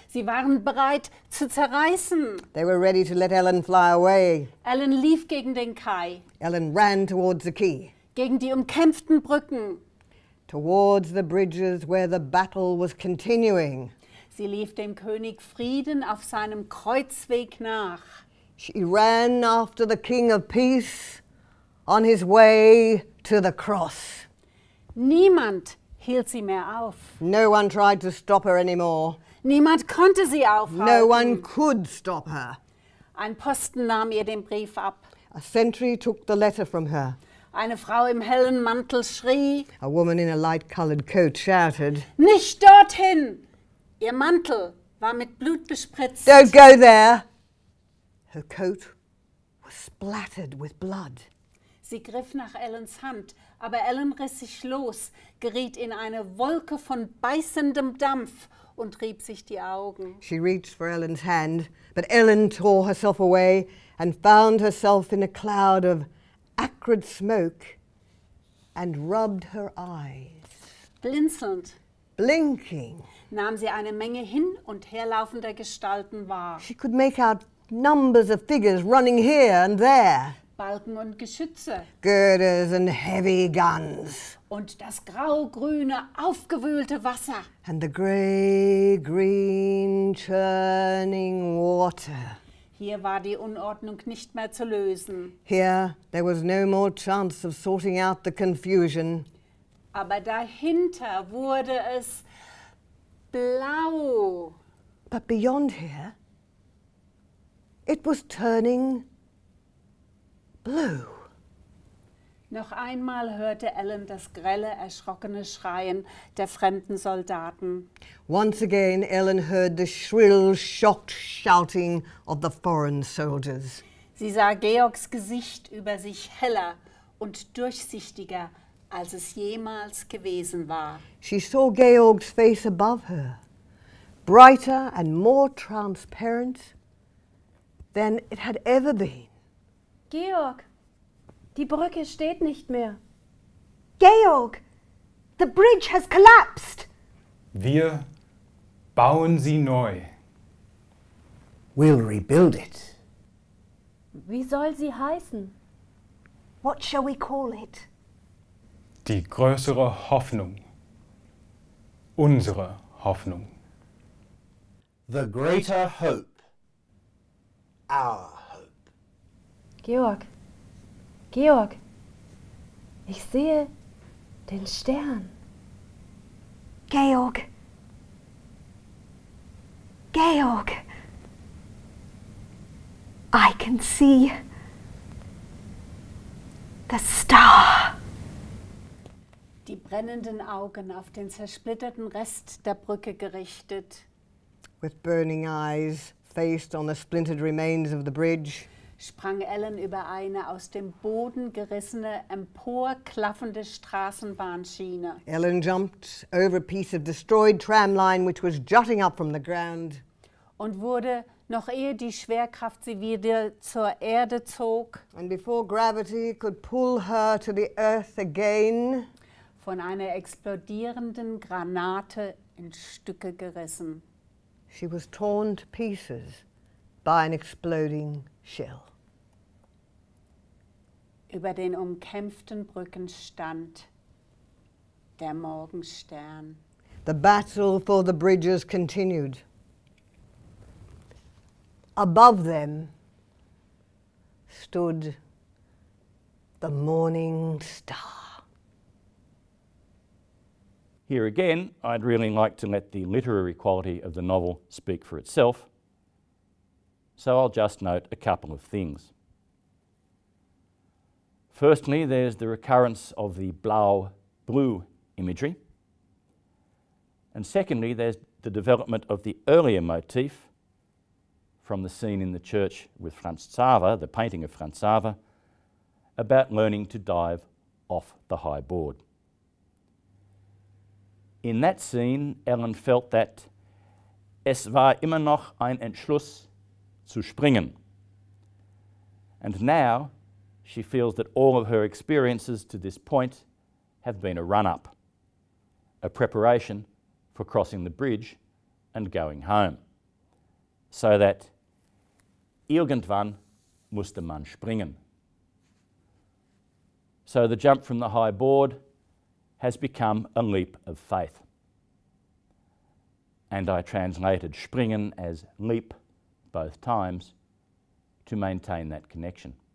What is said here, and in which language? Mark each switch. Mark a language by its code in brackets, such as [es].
[de] Sie waren bereit, zu zerreißen. [en] They were ready to let Ellen fly away. [de] Ellen lief gegen den Kai. [en] Ellen ran towards the quay. [de] Gegen die umkämpften Brücken. [en] Towards the bridges where the battle was continuing. [de] Sie lief dem König Frieden auf seinem Kreuzweg nach. [en] She ran after the King of Peace on his way to the cross. [de] Niemand hielt sie mehr auf. [en] No one tried to stop her anymore. [de] Niemand konnte sie aufhalten. [en] No one could stop her. [de] Ein Posten nahm ihr den Brief ab. [en] A sentry took the letter from her. [de] Eine Frau im hellen Mantel schrie. [en] A woman in a light-colored coat shouted. [de] Nicht dorthin! Ihr Mantel war mit Blut bespritzt. [en] Don't go there! Her coat was splattered with blood. [de] Sie griff nach Ellens Hand, aber Ellen riss sich los, geriet in eine Wolke von beißendem Dampf und rieb sich die Augen. [en] She reached for Ellen's hand, but Ellen tore herself away and found herself in a cloud of acrid smoke and rubbed her eyes. [de] Blinzelnd. [en] Blinking. [de] Nahm sie eine Menge hin- und herlaufender Gestalten wahr. [en] She could make out numbers of figures running here and there. [de] Balken und Geschütze. [en] Girders and heavy guns. [de] Und das grau-grüne, aufgewühlte Wasser. [en] And the grey-green churning water. [de] Hier war die Unordnung nicht mehr zu lösen. [en] Here there was no more chance of sorting out the confusion. [de] Aber dahinter wurde es blau. [en] But beyond here, it was turning blue. [de] Noch einmal hörte Ellen das grelle, erschrockene Schreien der fremden Soldaten. [en] Once again, Ellen heard the shrill, shocked shouting of the foreign soldiers. [de] Sie sah Georgs Gesicht über sich heller und durchsichtiger, als es jemals gewesen war. [en] She saw Georg's face above her, brighter and more transparent than it had ever been. [de] Georg! Die Brücke steht nicht mehr. [en] Georg, the bridge has collapsed. [de] Wir bauen sie neu. [en] We'll rebuild it. [de] Wie soll sie heißen? [en] What shall we call it? [de] Die größere Hoffnung. Unsere Hoffnung. [en] The greater hope. Our hope. [de] Georg. Georg, ich sehe den Stern. Georg. Georg. [en] I can see the star. [de] Die brennenden Augen auf den zersplitterten Rest der Brücke gerichtet. [en] With burning eyes faced on the splintered remains of the bridge. [de] Sprang Ellen über eine aus dem Boden gerissene, emporklaffende Straßenbahnschiene. [en] Ellen jumped over a piece of destroyed tram line which was jutting up from the ground. [de] Und wurde, noch ehe die Schwerkraft sie wieder zur Erde zog, [en] and before gravity could pull her to the earth again, [de] von einer explodierenden Granate in Stücke gerissen. [en] She was torn to pieces by an exploding shell. [de] Über den umkämpften Brücken stand der Morgenstern. [en] The battle for the bridges continued. Above them stood the morning star. Here again, I'd really like to let the literary quality of the novel speak for itself. So I'll just note a couple of things. Firstly, there's the recurrence of the blau-blue imagery. And secondly, there's the development of the earlier motif from the scene in the church with Franz Xaver, the painting of Franz Xaver, about learning to dive off the high board. In that scene, Ellen felt that [de] es war immer noch ein Entschluss zu springen. [en] And now, she feels that all of her experiences to this point have been a run-up, a preparation for crossing the bridge and going home. So that [de] irgendwann musste man springen. [en] So the jump from the high board has become a leap of faith. And I translated springen as leap both times to maintain that connection.